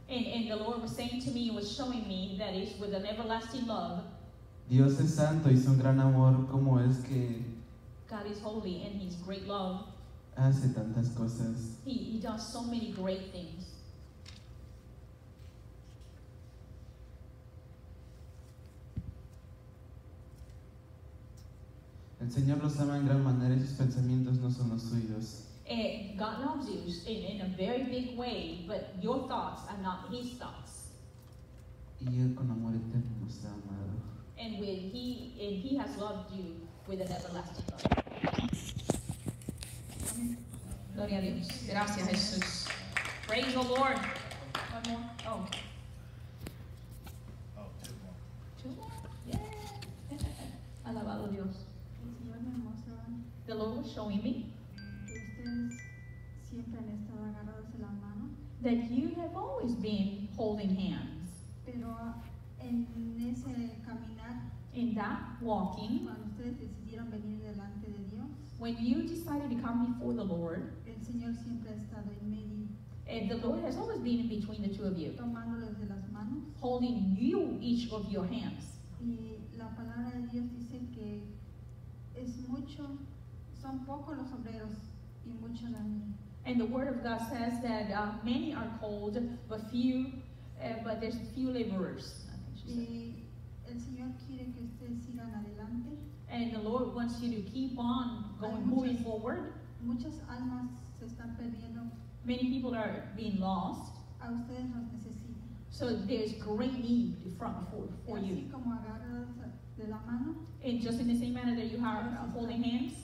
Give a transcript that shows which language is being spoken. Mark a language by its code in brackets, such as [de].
[en] And the Lord was saying to me, was showing me that it's with an everlasting love. [es] Dios es santo y es un gran amor como es que [en] God is holy and his great love. [es] Hace tantas cosas. [en] He does so many great things. [es] El Señor los ama en gran manera y sus pensamientos no son los suyos. [en] God loves you in a very big way, but your thoughts are not his thoughts. [es] Y él con amor eterno nos ha amado. [en] And with he has loved you with an everlasting love. [es] Gloria a Dios. Gracias, Jesús. [en] Praise the Lord. One more. Oh. Oh, two more. Two more? Yeah. [es] Alabado Dios. El Señor me mostró. [en] The Lord was showing me. [es] Que ustedes siempre han estado agarrados de la mano. [en] That you have always been holding hands. [es] Pero en ese caminar. [en] In that walking. [es] Cuando ustedes decidieron venir delante de Dios. [en] When you decided to come before the Lord, [es] el Señor siempre ha estado en medio. [en] And the Lord has always been in between the two of you, [es] tomándoles de las manos, [en] holding you, each of your hands. [es] Y la palabra de Dios dice que es mucho, son pocos los obreros y mucho la mía. [en] And the word of God says that many are called, but there's few laborers. [es] Y el Señor quiere que ustedes sigan adelante. [en] And the Lord wants you to keep on going, moving forward. [es] Muchas almas se están perdiendo. [en] Many people are being lost. [es] A ustedes los necesitan. [en] So there's great need for you. [es] Así como agarrados de la mano. [en] And just in the same manner that you are holding hands.